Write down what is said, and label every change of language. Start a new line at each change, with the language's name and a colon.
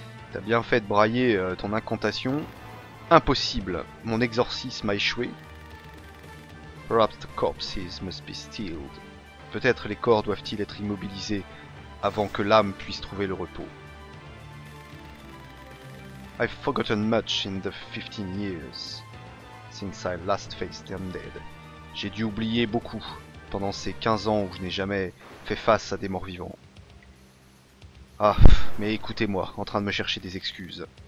French: T'as bien fait de brailler ton incantation. Impossible. Mon exorcisme a échoué.
English: Perhaps the corpses must be stealed.
French: Peut-être les corps doivent-ils être immobilisés avant que l'âme puisse trouver le repos.
English: I've forgotten much in the 15 years since I last faced the undead.
French: J'ai dû oublier beaucoup pendant ces 15 ans où je n'ai jamais fait face à des morts vivants. Ah, mais écoutez-moi, en train de me chercher des excuses.